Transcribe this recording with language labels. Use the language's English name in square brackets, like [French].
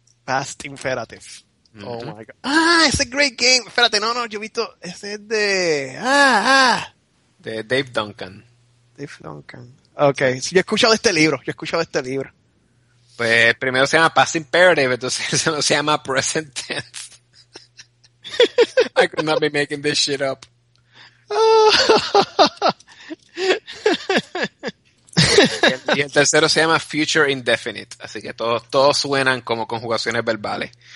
[English] Past Imperative. Oh my god. Ah, ese Great Game. [Spanish] Espérate, no, yo he visto. Ese es de. De Dave Duncan. Dave Duncan. Ok, sí, yo he escuchado este libro. Pues primero se llama Past Imperative, entonces se lo llama Present Tense. [English] I could not be making this shit up. [Spanish] Y el tercero se llama Future Indefinite. Así que todos suenan como conjugaciones verbales.